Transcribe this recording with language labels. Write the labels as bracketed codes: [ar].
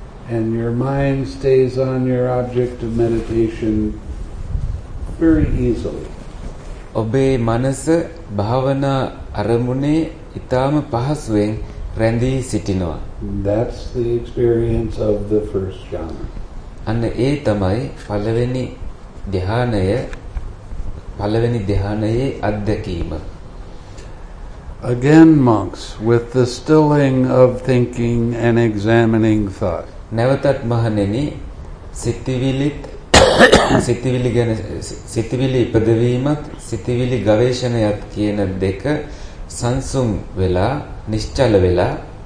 [en] And your mind stays on your object of meditation very easily. [si] ඔබේ මනස භාවනා අරමුණේ ඉතාම පහසුවෙන් රැඳී සිටිනවා. [en] That's the experience of the first jhana. [si] අන්න ඒ තමයි පළවෙනි ධ්‍යානය පළවෙනි ධ්‍යානයේ අත්දැකීම. [en] Again, monks, with the stilling of thinking and examining thought. [si] නැවතත් මහණෙනි සිතිවිලිත් සිතිවිලි ගැන සිතිවිලි ඉපදවීමත් සිතිවිලි ගවේෂණයත් කියන දෙක සංසුන් වෙලා නිශ්චල වෙලා